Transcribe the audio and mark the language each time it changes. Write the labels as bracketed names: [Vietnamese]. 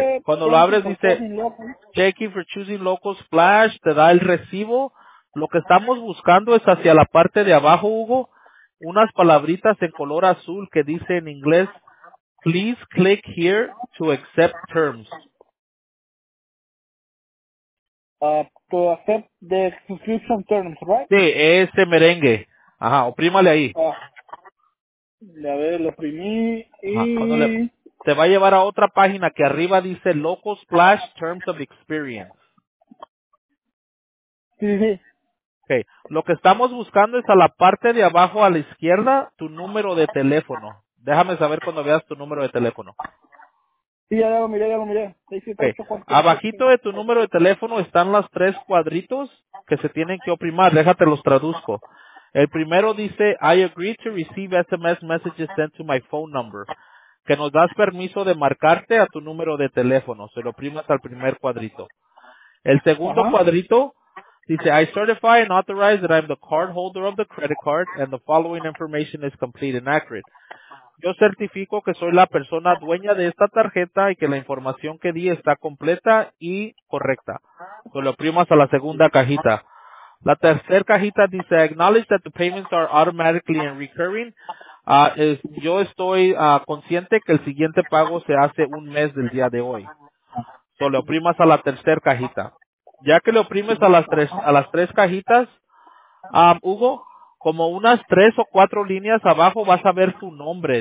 [Spanish] Sí. Cuando lo abres, dice, [English] checking for choosing Loco Splash, [Spanish] te da el recibo. Lo que estamos buscando es hacia la parte de abajo, Hugo, unas palabritas en color azul que dice en inglés, [English] please click here to accept terms. To accept the subscription terms, right? [Spanish] Sí, ese merengue. Ajá, oprímale ahí. A ver, lo oprimí y... Te va a llevar a otra página que arriba dice Local Splash Terms of Experience. Sí, sí. Ok, lo que estamos buscando es a la parte de abajo a la izquierda, tu número de teléfono. Déjame saber cuando veas tu número de teléfono. Sí, ya lo miré, ya lo miré. Okay. Abajito de tu número de teléfono están las tres cuadritos que se tienen que oprimar. Déjate los traduzco. El primero dice, [English] I agree to receive SMS messages sent to my phone number. [Spanish] Que nos das permiso de marcarte a tu número de teléfono. Se lo oprimas al primer cuadrito. El segundo cuadrito dice, [English] I certify and authorize that I'm the cardholder of the credit card and the following information is complete and accurate. [Spanish] Yo certifico que soy la persona dueña de esta tarjeta y que la información que di está completa y correcta. Se lo oprimas a la segunda cajita. La tercera cajita dice, [English] I acknowledge that the payments are automatically and recurring. [Spanish] Yo estoy consciente que el siguiente pago se hace un mes del día de hoy. Se lo oprimas a la tercera cajita. Ya que le oprimes a las tres cajitas, Hugo, como unas tres o cuatro líneas abajo vas a ver tu nombre.